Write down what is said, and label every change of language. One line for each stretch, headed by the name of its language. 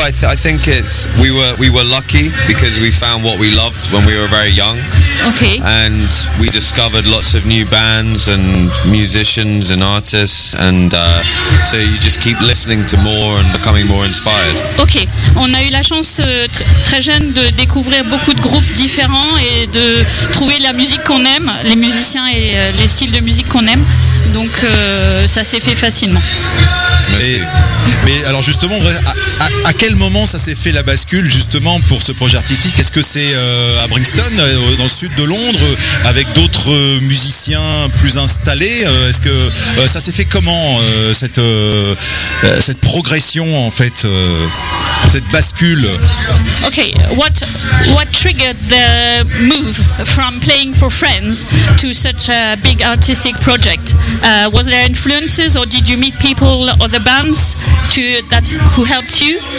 English: I think it's we were lucky because we found what we loved when we were very young. Okay. And we discovered lots of new bands and musicians and artists, and so you just keep listening to more and becoming more inspired. Okay.
French: On a eu la chance très jeune de découvrir beaucoup de groupes différents et de trouver la musique qu'on aime, les musiciens et les styles de musique qu'on aime. Donc ça s'est fait facilement. Merci. Mais alors justement, à quel moment ça s'est fait la bascule justement pour ce projet artistique? Est-ce que c'est à Brixton, dans le sud de Londres, avec d'autres musiciens plus installés? Est-ce que ça s'est fait comment, cette progression en fait, cette bascule?
English: Ok, what triggered the move from playing for friends to such a big artistic project? Was there influences or did you meet people or the bands who helped you?